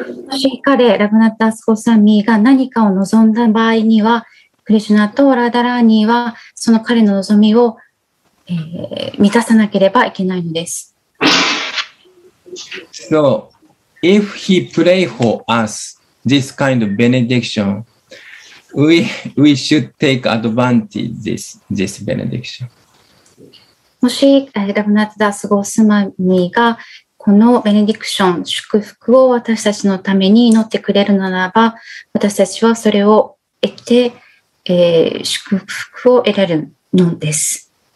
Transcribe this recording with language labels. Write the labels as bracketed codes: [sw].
[ja] しかでラグナタスゴサミが何かを望んだ場合には、クリシュナとラダラーニはその彼の望みを、満たさなければいけないのです。 [en] So, if he pray for us this kind of benediction, we should take advantage this benediction. [ja] もしラグナタスゴサミがこのベネディクション、祝福を私たちのために祈ってくれるならば、私たちはそれを得て、祝福を得られるのです。